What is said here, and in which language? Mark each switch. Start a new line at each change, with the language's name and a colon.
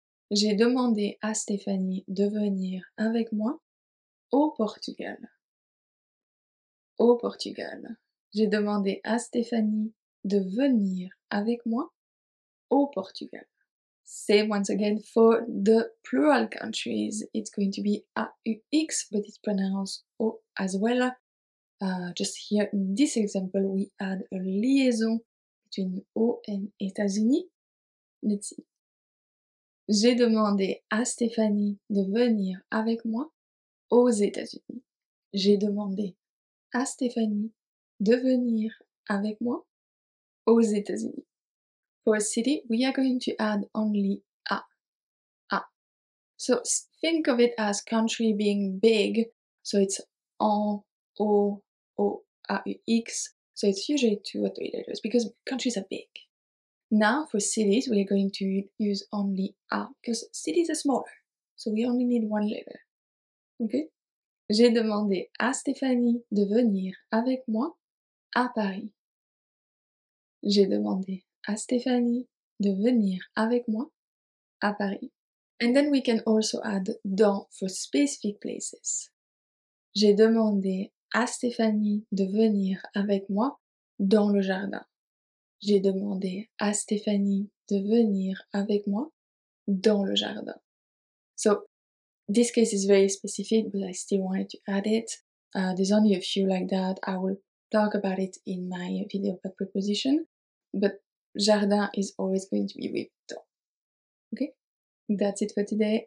French: J'ai demandé à Stéphanie de venir avec moi au Portugal. Au Portugal. j'ai demandé à Stéphanie de venir avec moi au Portugal.
English: Same once again for the plural countries. It's going to be AUX, but it's pronounced O as well. Just here in this example, we add a liaison between O and États-Unis. Let's see.
French: J'ai demandé à Stéphanie de venir avec moi aux États-Unis. J'ai demandé à Stéphanie de venir avec moi aux États-Unis.
English: For a city, we are going to add only a. A. So think of it as country being big. So it's en, o, o, a, u, x. So it's usually two or three letters because countries are big. Now for cities, we are going to use only a because cities are smaller. So we only need one letter. Okay?
French: J'ai demandé à Stéphanie de venir avec moi à Paris. J'ai demandé à Stéphanie de venir avec moi à Paris.
English: And then we can also add dans for specific places.
French: J'ai demandé à Stéphanie de venir avec moi dans le jardin. J'ai demandé à Stéphanie de venir avec moi dans le jardin.
English: So, this case is very specific, but I still wanted to add it. There's only a few like that. I will talk about it in my video about preposition. But jardin is always going to be with dans. Okay? That's it for today.